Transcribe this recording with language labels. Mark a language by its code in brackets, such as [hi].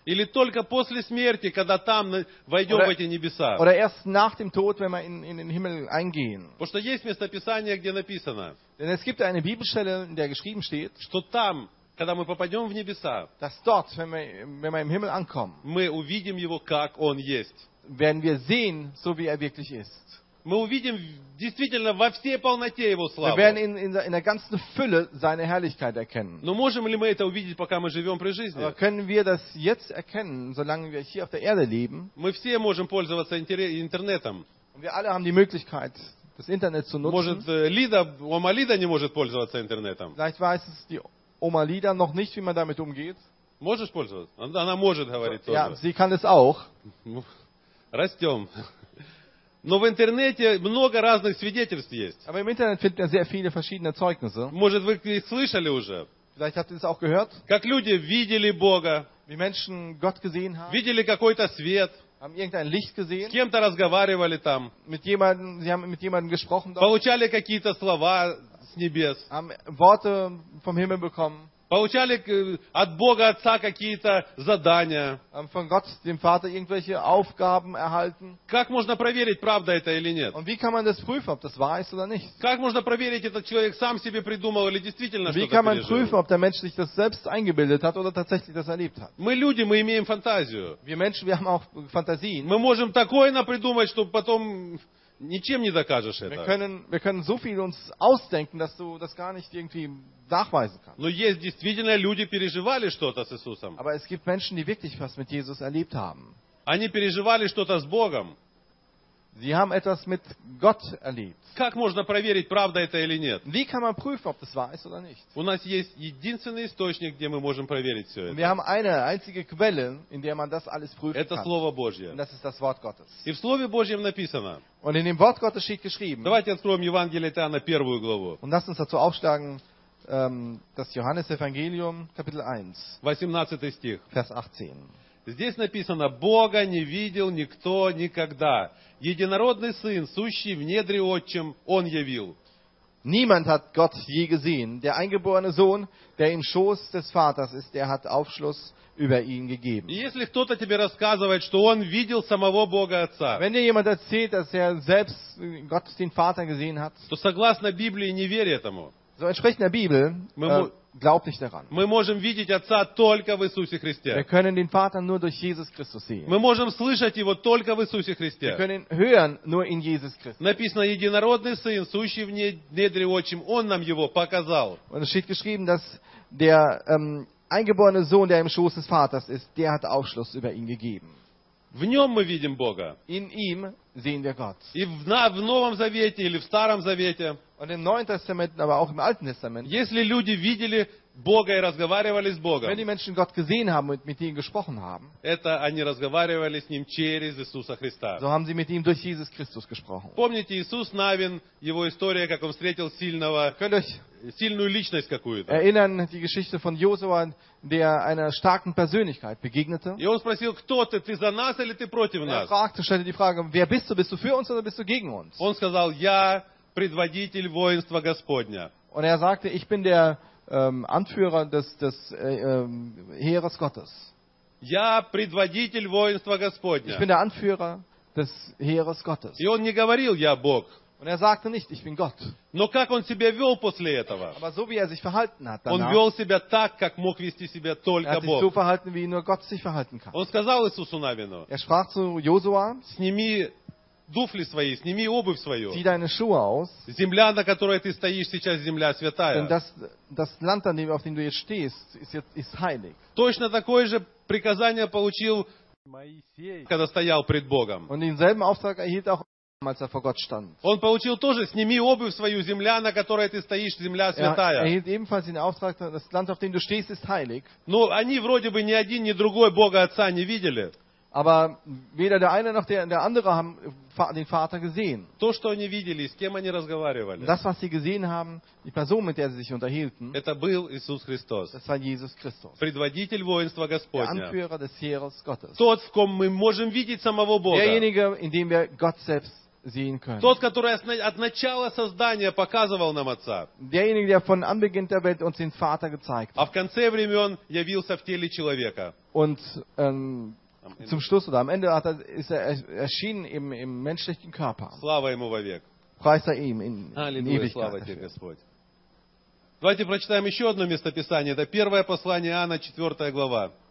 [ru] Или только после смерти, когда там войдем в эти небеса? [de] Oder erst nach dem Tod, wenn wir in den Himmel eingehen? [ru] Потому что есть место Писания, где написано. [de] Denn es gibt eine Bibelstelle, in der geschrieben steht, [ru] что там, когда мы попадем в небеса, [de] dass dort, wenn wir im Himmel ankommen, [ru] мы увидим его, как он есть. [de] Werden wir sehen, so wie er wirklich ist. [ru] Мы увидим действительно во всей полноте его славу. [de] Wir werden in der ganzen Fülle seine Herrlichkeit erkennen. [ru] Но можем ли мы это увидеть, пока мы живем при жизни? [de] Aber können wir das jetzt erkennen, solange wir hier auf der Erde leben? [ru] Мы все можем пользоваться интернетом. [de] Und wir alle haben die Möglichkeit, das Internet zu nutzen. [ru] Может, Лида, Ома Лида не может пользоваться интернетом. [de] Vielleicht weiß es die Oma Lida noch nicht, wie man damit umgeht. [ru] Можешь пользоваться? Она может, говорит тоже. [de] Ja, sie kann es auch. [ru] Растем. Но в интернете много разных свидетельств есть. [de] Aber im Internet findet man sehr viele verschiedene Zeugnisse. [ru] Может, вы слышали уже? [de] Vielleicht habt ihr es auch gehört. [ru] Как люди видели Бога? [de] Wie Menschen Gott gesehen haben. [ru] Видели какой-то свет? [de] Haben irgendein Licht gesehen? [ru] С кем-то разговаривали там? [de] Sie haben mit jemandem gesprochen dort. [ru] Получали какие-то слова с небес? [de] Haben Worte vom Himmel bekommen? [ru] Получали от Бога Отца какие-то задания. [de] Von Gott, dem Vater, irgendwelche Aufgaben erhalten. [ru] Как можно проверить, правда это или нет? [de] Und wie kann man das prüfen, ob das wahr ist oder nicht? [ru] Как можно проверить, этот человек сам себе придумал или действительно что-то пережил? [de] Wie kann man prüfen, ob der Mensch sich das selbst eingebildet hat oder tatsächlich das erlebt hat? [ru] Мы люди, мы имеем фантазию. [de] Wir Menschen, wir haben auch Fantasien. [ru] Мы можем такое напридумать, чтобы потом ничем не докажешь это. [de] Wir können so viel uns ausdenken, dass du das gar nicht irgendwie nachweisen kannst. [ru] Но есть действительно люди переживали что-то с Иисусом. [de] Aber es gibt Menschen, die wirklich was mit Jesus erlebt haben. [ru] Они переживали что-то с Богом. [de] Sie haben etwas mit Gott erlebt. [ru] Как можно проверить, правда это или нет? [de] Wie kann man prüfen, ob das wahr ist oder nicht? [ru] У нас есть единственный источник, где мы можем проверить все это. [de] Wir haben eine einzige Quelle, in der man das alles prüfen kann. [ru] Это Слово Божье. [de] Das ist das Wort Gottes. [ru] И в Слове Божьем написано. [de] Und in dem Wort Gottes steht geschrieben. [ru] Давайте откроем Евангелие от Иоанна первую главу. [de] Und lass uns dazu aufschlagen, das Johannesevangelium, Kapitel 1, [ru] 18. Стих. [de] Vers 18. [ru] Здесь написано, Бога не видел никто никогда. Единородный Сын, сущий в недре Отчим, Он явил. [de] Niemand hat Gott je gesehen. Der eingeborene Sohn, der im Schoß des Vaters ist, der hat Aufschluss über ihn gegeben. [ru] Если кто-то тебе рассказывает, что он видел самого Бога Отца, [de] wenn dir jemand erzählt, dass er selbst Gott den Vater gesehen hat, [ru] то согласно Библии не верь этому. [de] So entsprechend der Bibel, glaub nicht daran. [ru] Мы можем видеть Отца только в Иисусе Христе. [de] Wir können den Vater nur durch Jesus Christus sehen. [ru] Мы можем слышать его только в Иисусе Христе. [de] Wir können hören nur in Jesus Christus. [ru] Написано, единородный Сын, сущий в недре Отчим, Он нам его показал. [de] Und es steht geschrieben, dass der eingeborene Sohn, der im Schoß des Vaters ist, der hat Aufschluss über ihn gegeben. [ru] В нем мы видим Бога. [de] In ihm sehen wir Gott. [ru] И в Новом Завете или в Старом Завете. [de] Und im Neuen Testament, aber auch im Alten Testament. [ru] Если люди видели Бога и разговаривали с Богом. [de] Wenn die Menschen Gott gesehen haben und mit ihm gesprochen haben. [ru] Это они разговаривали с ним через Иисуса Христа. [de] So haben sie mit ihm durch Jesus Christus gesprochen. [ru] Помните Иисус Навин, его история, как он встретил сильного, сильную личность какую-то. [de] Erinnern die Geschichte von Josua, der einer starken Persönlichkeit begegnete. [ru] И он спросил, кто ты, ты за нас или ты против нас? [de] Er fragte, stellte die Frage, wer bist du für uns oder bist du gegen uns? [ru] Он сказал, я предводитель воинства Господня. [de] Und er sagte, ich bin der Anführer des Heeres Gottes. [ru] Я предводитель воинства Господня. [de] Ich bin der Anführer des Heeres Gottes. [ru] И он не говорил, я Бог. [de] Und er sagte nicht, ich bin Gott. [ru] Но как он себя вел после этого? [de] Aber so wie er sich verhalten hat danach. [ru] Он вел себя так, как мог вести себя только Бог. [de] Er hat sich so verhalten, wie nur Gott sich verhalten kann. [ru] Он сказал Иисусу Навину. [de] Er sprach zu Josua. [ru] Сними туфли свои, сними обувь свою. [de] Zieh deine Schuhe aus. [ru] Земля, на которой ты стоишь сейчас, земля святая. [de] Denn das Land, auf dem du jetzt stehst, ist heilig. [ru] Точно такое же приказание получил Моисей, когда стоял пред Богом. [de] Und denselben Auftrag erhielt auch als er vor Gott stand. [ru] Он получил тоже, сними обувь свою, земля, на которой ты стоишь, земля святая. [de] Er erhielt ebenfalls den Auftrag, das Land, auf dem du stehst, ist heilig. [ru] Но они вроде бы ни один, ни другой Бога Отца не видели. [de] Aber weder der eine noch der andere haben den Vater gesehen. [ru] То, что они видели, с кем они разговаривали. [de] Das, was sie gesehen haben, die Person, mit der sie sich unterhielten, [ru] это был Иисус Христос. [de] Das war Jesus Christus. [ru] Предводитель воинства Господня. [de] Der Anführer des Heeres Gottes. [ru] Тот, в ком мы можем видеть самого Бога. [de] Derjenige, in dem wir Gott selbst sehen können. [ru] Тот, который от начала создания показывал нам Отца. [de] Derjenige, der von Anbeginn der Welt uns den Vater gezeigt hat. [ru] А в конце времен явился в теле человека. [de] Und zum Schluss oder am Ende hat ist er erschienen im menschlichen Körper. [ru] Слава ему вовек. [de] Preist er ihm in Ewigkeit. [ru] Слава тебе, Господь. Давайте прочитаем еще одно местописание. Это первое послание Иоанна, 4 глава.